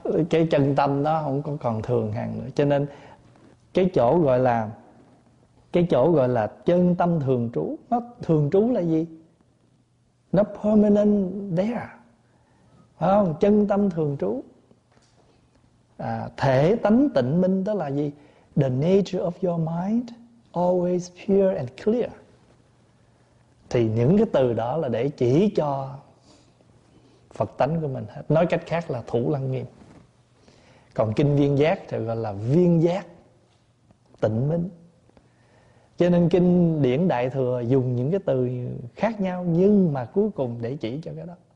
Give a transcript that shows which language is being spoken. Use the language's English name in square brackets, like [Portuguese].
[Vietnamese] Cái chân tâm đó không có còn thường hằng nữa. Cho nên cái chỗ gọi là, cái chỗ gọi là chân tâm thường trú, nó thường trú là gì? Nó [English] permanent there. [Vietnamese] Phải không? Chân tâm thường trú. À, thể tánh tịnh minh đó là gì? [English] The nature of your mind always pure and clear. [Vietnamese] Thì những cái từ đó là để chỉ cho Phật tánh của mình hết. Nói cách khác là thủ lăng nghiêm. Còn kinh Viên Giác thì gọi là viên giác tịnh minh. Cho nên kinh điển Đại Thừa dùng những cái từ khác nhau, nhưng mà cuối cùng để chỉ cho cái đó.